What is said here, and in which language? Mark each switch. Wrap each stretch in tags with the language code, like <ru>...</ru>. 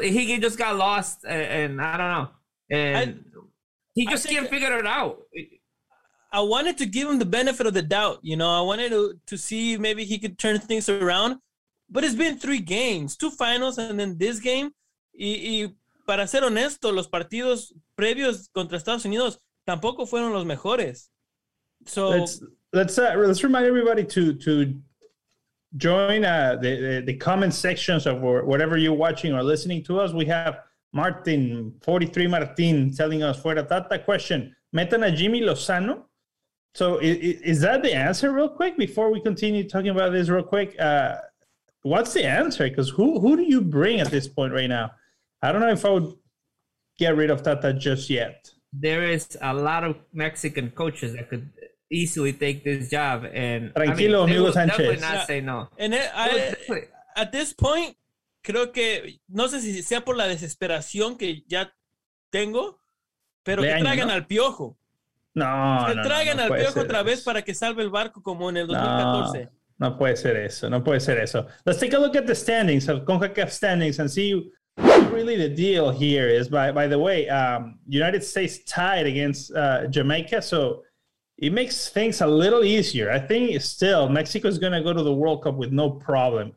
<en>He just got lost, and I don't know. And he can't figure it out. I wanted to give him the benefit of the doubt. You know, I wanted to see maybe he could turn things around. But it's been 3 games, 2 finals, and then this game.</en> <es>Y para ser honesto, los partidos previos contra Estados Unidos tampoco fueron los mejores.</es> <en>So let's remind everybody to join the comment sections of whatever you're watching or listening to us. We have Martin 43 Martin telling us</en> <es>fuera Tata</es> <en>question.</en> <es>Metan a Jimmy Lozano.</es> <en>So is that the answer, real quick, before we continue talking about this, real quick? What's the answer? Because who do you bring at this point right now? I don't know if I would get rid of Tata just yet. There is a lot of Mexican coaches that could easily take this job. And</en> <es>tranquilo,</es> <en>I mean,</en> <es>amigo Sanchez.</es> <en>Definitely not say no. And at this point,</en> <es>creo que, no sé si sea por la desesperación que ya tengo, pero que traigan al Piojo. No, que traigan al Piojo otra vez para que salve el barco como en el 2014. No, no puede ser eso, no puede ser eso.</es> <en>Let's take a look at the standings, of CONCACAF standings, and see really the deal here is, by the way, United States tied against Jamaica, so it makes things a little easier. I think still Mexico is going to go to the World Cup with no problem.</en>